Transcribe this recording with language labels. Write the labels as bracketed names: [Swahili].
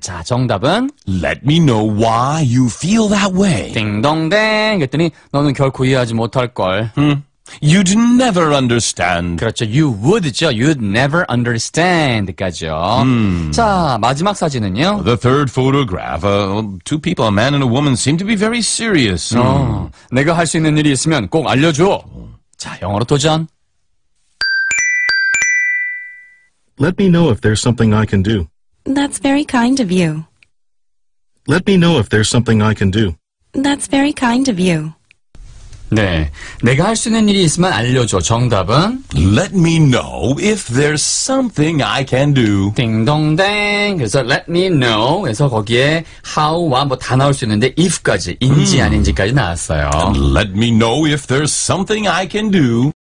[Korean] 자, 정답은 [English] Let me know why you feel that way. [Korean] 딩동댕 그랬더니 너는 결코 이해하지 못할걸. [English] You'd never understand. [Korean] 그렇죠, you would죠. [English] You'd never understand [Korean] 까지요. 자, 마지막 사진은요. [English] The third photograph. Two people, a man and a woman, seem to be very serious. [Korean] 내가 할 수 있는 일이 있으면 꼭 알려줘. 자, 영어로 도전. [English] Let me know if there's something I can do. That's very kind of you. Let me know if there's something I can do. That's very kind of you. [Korean] 네, 내가 할 수 있는 일이 있으면 알려줘. 정답은 [English] Let me know if there's something I can do. [Korean] 딩동댕. [English] 그래서 Let me know. [Korean] 그래서 거기에 how와 뭐 다 나올 수 있는데 if까지, 인지 아닌지까지 나왔어요. [English] Let me know if there's something I can do.